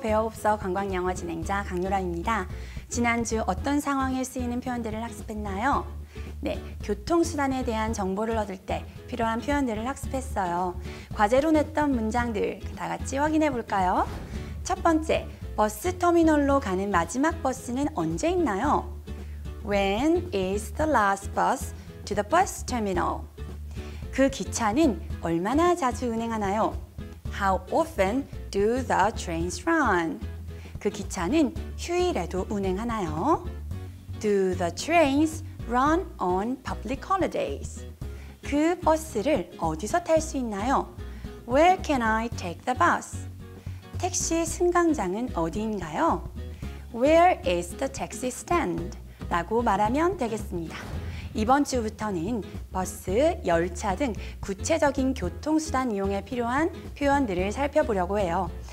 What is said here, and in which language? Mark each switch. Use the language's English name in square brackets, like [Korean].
[Korean] 배워봅서 관광영어 진행자 강유라입니다. 지난주 어떤 상황에 쓰이는 표현들을 학습했나요? 네, 교통수단에 대한 정보를 얻을 때 필요한 표현들을 학습했어요. 과제로 냈던 문장들 다 같이 확인해 볼까요? 첫 번째, 버스 터미널로 가는 마지막 버스는 언제 있나요? [English] When is the last bus to the bus terminal? [Korean] 그 기차는 얼마나 자주 운행하나요? [English] How often do the trains run? [Korean] 그 기차는 휴일에도 운행하나요? [English] Do the trains run on public holidays? [Korean] 그 버스를 어디서 탈 수 있나요? [English] Where can I take the bus? [Korean] 택시 승강장은 어디인가요? [English] Where is the taxi stand? [Korean] 라고 말하면 되겠습니다. 이번 주부터는 버스, 열차 등 구체적인 교통수단 이용에 필요한 표현들을 살펴보려고 해요.